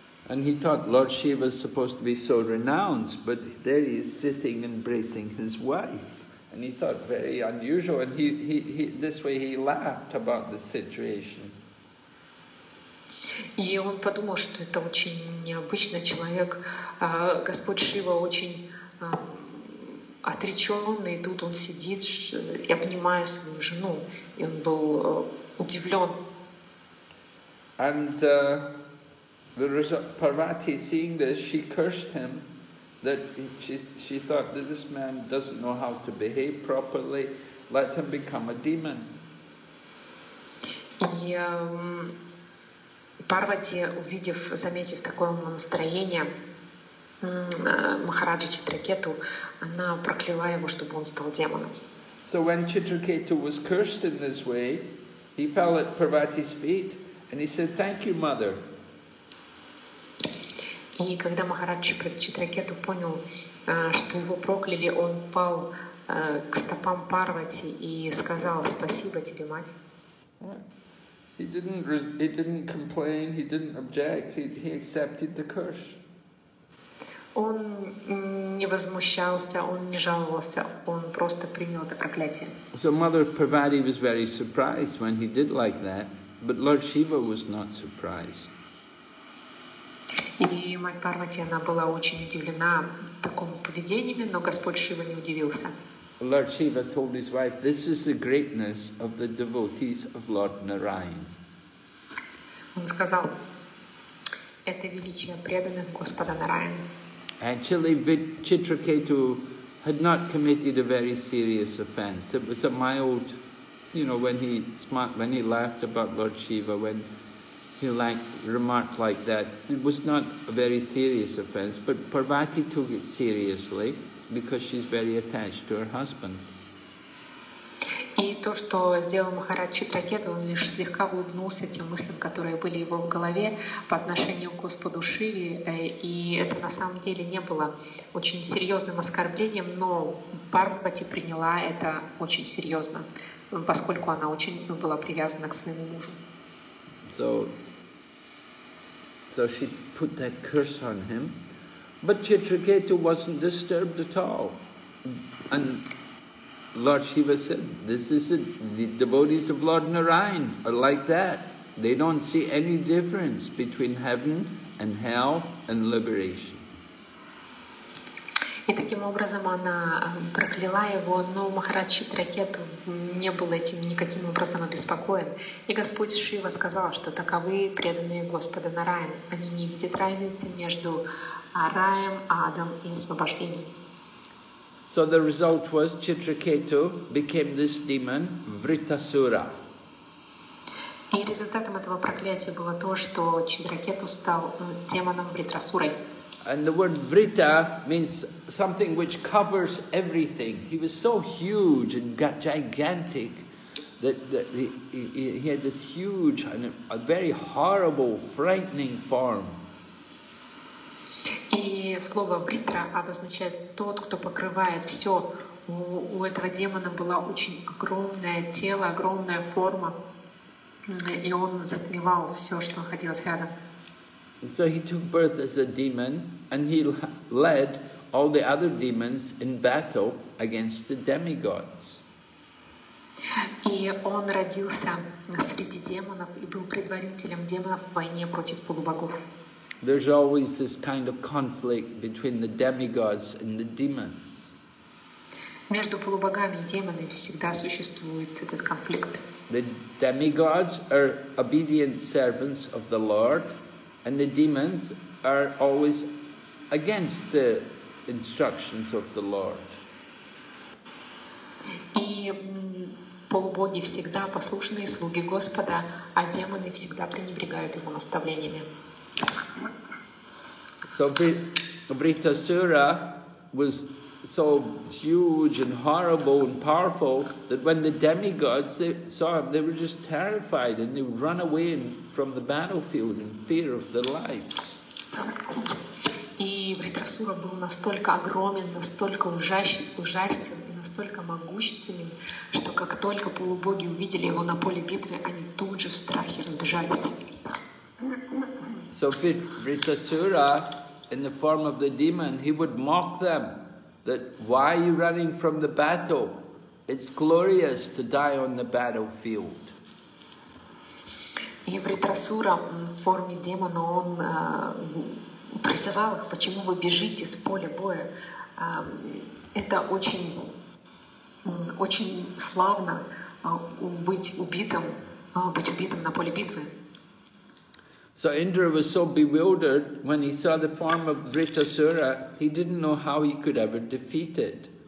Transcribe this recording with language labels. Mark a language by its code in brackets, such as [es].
[en] And he thought Lord Shiva is supposed to be so renounced, but there he is sitting embracing his wife. And he thought very unusual, and he this way he laughed about the situation. [ru] И он подумал, что это очень необычный человек. Господь Шива очень отречённый, и тут он сидит и обнимая свою жену, и он был удивлён. [en] And the Parvati seeing this, she cursed him, that she thought that this man doesn't know how to behave properly, let him become a demon. [ru] И Парвати, увидев, заметив такое настроение Махараджи Читракету, она прокляла его, чтобы он стал демоном. [en] So when Chitraketu was cursed in this way, he fell at Parvati's feet and he said, "Thank you, mother." [ru] И когда Махараджи Читракету понял, что его прокляли, он пал к стопам Парвати и сказал: "Спасибо тебе, мать." [en] He didn't complain. He didn't object. He accepted the curse. [ru] Он не возмущался, он не жаловался, он просто принял это проклятие. [en] So Mother Parvati was very surprised when he did like that, but Lord Shiva was not surprised. [ru] И мать Парвати, она была очень удивлена такому поведению, но Господь Шива не удивился. [en] Lord Shiva told his wife, "This is the greatness of the devotees of Lord Narayan." [ru] Он сказал, "Это величие преданных Господа Нараяна." [en] Actually, Chitraketu had not committed a very serious offense. It was a mild, you know, when he laughed about Lord Shiva, when he remarked like that, it was not a very serious offense. But Parvati took it seriously because she's very attached to her husband. [ru] И то, что сделал Махарадж Читракету, он лишь слегка улыбнулся тем мыслям, которые были его в голове по отношению к Господу Шиве, и это на самом деле не было очень серьезным оскорблением, но Парвати приняла это очень серьезно, поскольку она очень была привязана к своему мужу. [en] So she put that curse on him, but Chitraketu wasn't disturbed at all. And Lord Shiva said, "This is it. The devotees of Lord Narayan are like that. They don't see any difference between heaven and hell and liberation." [ru] И таким образом она прокляла его, но Махарадж Читракету не был этим никаким образом обеспокоен. И Господь Шива сказал, что таковы преданные Господа Нараяна. Они не видят разницы между раем, адом и освобождением. [en] So the result was Chitraketu became this demon, Vritasura. [ru] И результатом этого проклятия было то, что Читракету стал демоном Вритасурой. [en] And the word Vrita means something which covers everything. He was so huge and gigantic that he had this huge and a very horrible, frightening form. [ru] И слово Вритра обозначает тот, кто покрывает все. У этого демона была очень огромное тело, огромная форма, и он затмевал все, что находилось рядом. [en] And so he took birth as a demon, and he led all the other demons in battle against the demigods. [ru] И он родился среди демонов и был предводителем демонов в войне против полубогов. [en] There's always this kind of conflict between the demigods and the demons. [ru] Между полубогами и демонами всегда существует этот конфликт. [en] The demigods are obedient servants of the Lord, and the demons are always against the instructions of the Lord. [ru] И полубоги всегда послушные слуги Господа, а демоны всегда пренебрегают его наставлениями. [en] So Vritasura was so huge and horrible and powerful that when the demigods saw him, they were just terrified and they would run away from the battlefield in fear of their lives. [ru] И Вритасура был настолько огромен, настолько ужасен и настолько могущественным, что как только полубоги увидели его на поле битвы, они тут же в страхе разбежались. [en] So Vritasura, in the form of the demon, he would mock them, that why are you running from the battle? It's glorious to die on the battlefield. [ru] И Вритасура в форме демона, он призывал их, почему вы бежите с поля боя? Это очень, очень славно быть убитым на поле битвы. [en] So Indra was so bewildered when he saw the form of Vritasura, he didn't know how he could ever defeat it.